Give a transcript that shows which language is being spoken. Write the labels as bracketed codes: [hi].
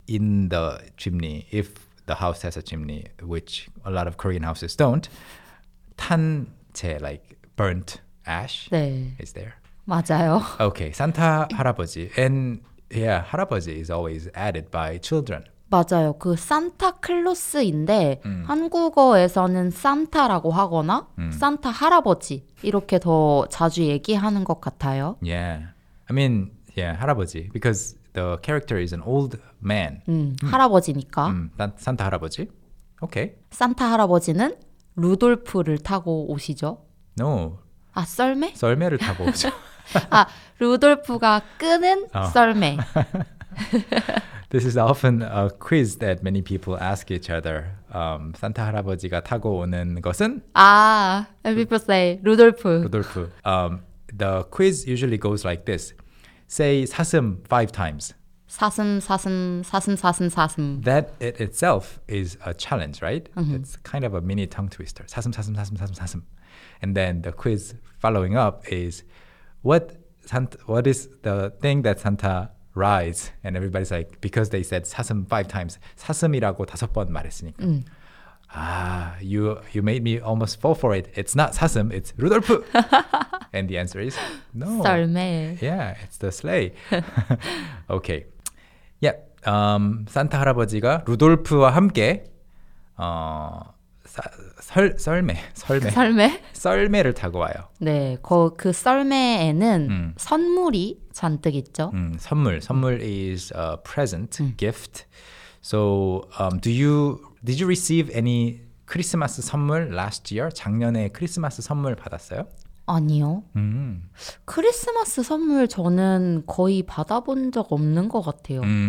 [en] In the chimney, if the house has a chimney, which a lot of Korean houses don't, [ko] 탄 제, [en] like burnt ash [ko] 네. [en] is there. [ko] 맞아요. [en] Okay, Santa 할아버지. And yeah, 할아버지 is always added by children. [ko] 맞아요. 그 산타클로스인데 한국어에서는 산타라고 하거나 산타 할아버지 이렇게 더 자주 얘기하는 것 같아요. [en] Yeah. I mean, yeah, 할아버지. Because the character is an old man. [ko] 할아버지니까. 산타 할아버지. Okay. 산타 할아버지는 루돌프를 타고 오시죠? [en] No. [ko] 아, 썰매? 썰매를 타고 오죠. 아, 루돌프가 끄는 썰매. [en] This is often a quiz that many people ask each other [ko] 산타 할아버지가 타고 오는 것은 [en] 아, and people say 루돌프. 루돌프. The quiz usually goes like this. Say 사슴 five times. [ko] 사슴, 사슴, 사슴, 사슴, 사슴. [en] That it itself is a challenge, right? Mm-hmm. It's kind of a mini tongue twister. [ko] 사슴, 사슴, 사슴, 사슴, 사슴. [en] And then the quiz following up is what is the thing that Santa rides? And everybody's like, because they said 사슴 five times. [ko] 사슴이라고 다섯 번 말했으니까. Mm. [en] Ah, you made me almost fall for it. It's not 사슴, it's 루돌프. And the answer is no. [ko] 썰매. [en] Yeah, it's the sleigh. Okay. Yeah. [ko] 산타 할아버지가 루돌프와 함께 썰매를 타고 와요. 네, 그 썰매에는 선물이 잔뜩 있죠. [en] 선물 is a present, gift. So, did you receive any Christmas 선물 last year? [ko] 작년에 크리스마스 선물 받았어요? 아니요. 크리스마스 선물 저는 거의 받아본 적 없는 것 같아요.